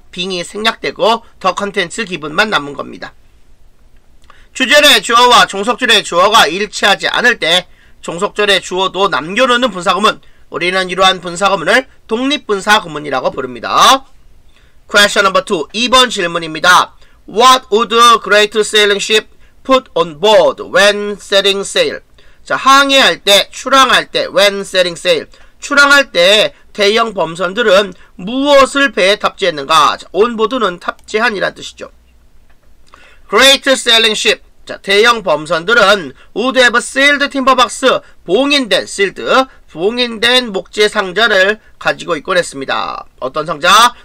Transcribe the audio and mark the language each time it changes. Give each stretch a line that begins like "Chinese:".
Korean: being이 생략되고
English: the contents given
Korean: 만 남은 겁니다. 주절의 주어와 종속절의 주어가 일치하지 않을 때 종속절의 주어도 남겨놓는 분사어문, 우리는 이러한 분사어문을 독립분사어문이라고 부릅니다.
English: Question number 2.
Korean: 2번 질문입니다.
English: What would great sailing ship put on board when setting sail?
Korean: 자, 항해할 때, 출항할 때,
English: when setting sail.
Korean: 출항할 때 대형 범선들은 무엇을 배에 탑재했는가? 자, on board는 탑재한이란 뜻이죠.
English: Great sailing ship.
Korean: 자, 대형 범선들은
English: would have sailed timber box,
Korean: 봉인된, sealed, 봉인된 목재 상자를 가지고 있곤 했습니다. 어떤 상자?